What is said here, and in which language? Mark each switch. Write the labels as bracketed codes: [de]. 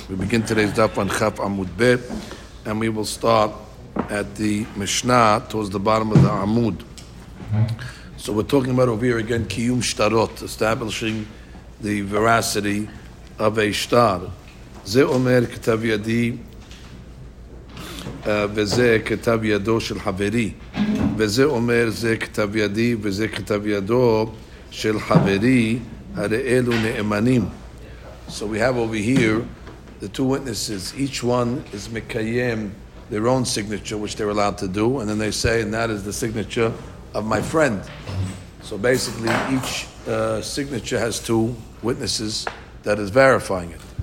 [en] We begin today's Daf on Chaf Amud Bet, and we will start at the Mishnah towards the bottom of the Amud. So we're talking about over here again, Kiyum Shtarot, establishing the veracity of a Shtar. [he] Ze Omer Ketav Yadi. וזה כתב ידו של חברי וזה אומר זה כתב ידי וזה כתב ידו של חברי הרי אלו נאמנים. [en] So we have over here the two witnesses, each one is מקיים their own signature, which they're allowed to do, and then they say, and that is the signature of my friend. So basically each signature has two witnesses that is verifying it.